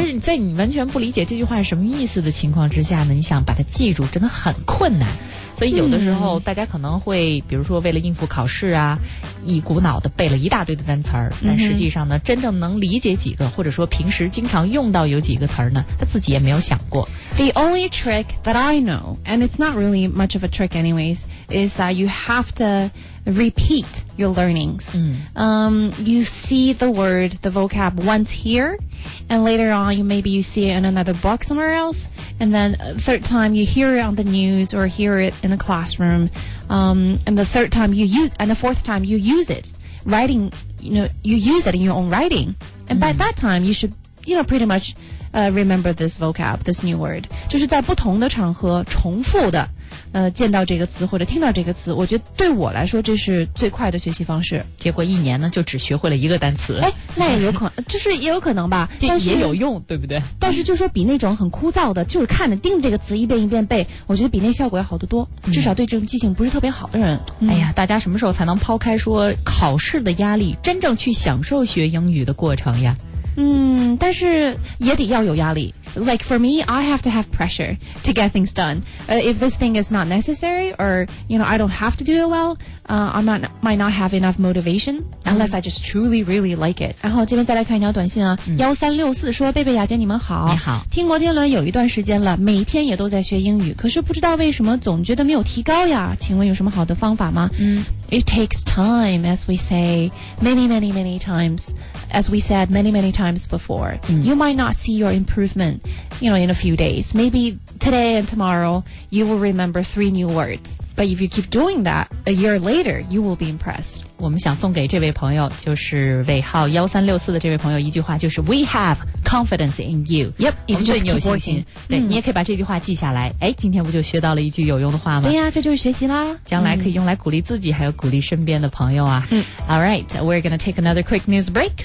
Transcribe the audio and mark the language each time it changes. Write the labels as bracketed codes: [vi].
[zh] 就是在你完全不理解这句话是什么意思的情况之下呢，你想把它记住，真的很困难。所以有的时候大家可能会比如说为了应付考试啊，一股脑的背了一大堆的单词儿，但实际上呢真正能理解几个，或者说平时经常用到有几个词儿呢，他自己也没有想过。 [en] The only trick that I know, and it's not really much of a trick anyways, is that you have to repeat your learnings. You see the word, the vocab once here, and later on maybe you see it in another book somewhere else, and then third time you hear it on the news or hear it in a classroom, and the third time you use, and the fourth time you use it writing, you know, you use it in your own writing, and by that time you should, you know, pretty muchremember this vocab, this new word. [zh] 就是在不同的场合重复的见到这个词或者听到这个词，我觉得对我来说这是最快的学习方式。结果一年呢就只学会了一个单词。哎，那也有可能，就是也有可能吧。这也有用，对不对？但是就是说比那种很枯燥的，就是看着盯这个词一遍一遍背，我觉得比那效果要好得多。至少对这种记性不是特别好的人。哎呀，大家什么时候才能抛开说考试的压力，真正去享受学英语的过程呀？但是也得要有压力， [en] like for me, I have to have pressure to get things done. If this thing is not necessary, or you know, I don't have to do it well, I might not have enough motivation unless I just truly really like it. [zh] 然后这边再来看一条短信啊，1364说贝贝雅姐你们好，你好，听摩天轮有一段时间了，每天也都在学英语，可是不知道为什么总觉得没有提高呀，请问有什么好的方法吗？ [en] It takes time, as we say, many, many, many times, as we said many, many times before. You might not see your improvement, you know, in a few days. Maybe today and tomorrow, you will remember 3 new words. But if you keep doing that, a year later, you will be impressed. [zh] 我们想送给这位朋友，就是尾号1364的这位朋友一句话，就是 [en] We have confidence in you. Yep, [zh] 我们对你有信心。对，你也可以把这句话记下来。哎，今天不就学到了一句有用的话吗？对呀，这就是学习啦。将来可以用来鼓励自己，还有鼓励身边的朋友啊。 [en] All right, we're going to take another quick news break.